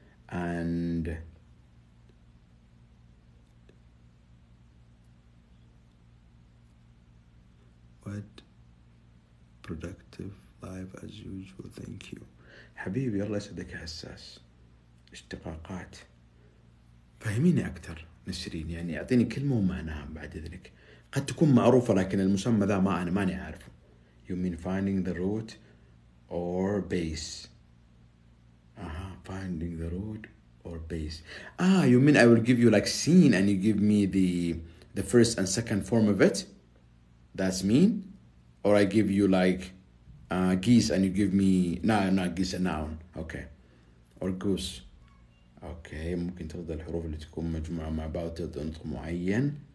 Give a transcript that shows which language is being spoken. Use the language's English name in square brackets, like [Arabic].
[English] And what productive life as usual. Thank you. [Arabic] حبيبي الله يسعدك حساس اشتقاقات فهميني أكثر نسرين يعني أعطيني كلمة ومعناها بعد إذنك قد تكون معروفة لكن المسمى ذا ما أنا ماني عارفه. [English] You mean finding the root or base. Finding the root or base. You mean I will give you like scene and you give me the first and second form of it? That's mean? Or I give you like geese and you give me... No, not geese, a noun. Okay. Or goose. Okay. [Arabic] ممكن تفضل الحروف اللي تكون مجموعة مع بعض تبدأ نطق معين.